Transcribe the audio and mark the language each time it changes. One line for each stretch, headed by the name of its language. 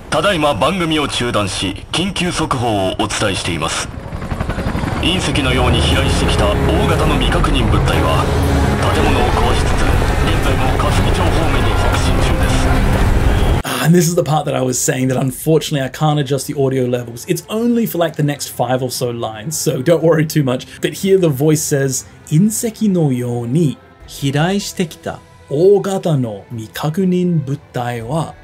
Japanese: ただいま番組を中断し、緊急速報をお伝えしています。隕石のように飛来してきた大型の未確認物体は建物を壊しつつ現在も霞町方面に北進中です。
English: And this is the part that I was saying that unfortunately I can't adjust the audio levels. It's only for like the next five or so lines, so don't worry too much. But here the voice says,
Japanese: 隕石のように飛来してきた大型の未確認物体は。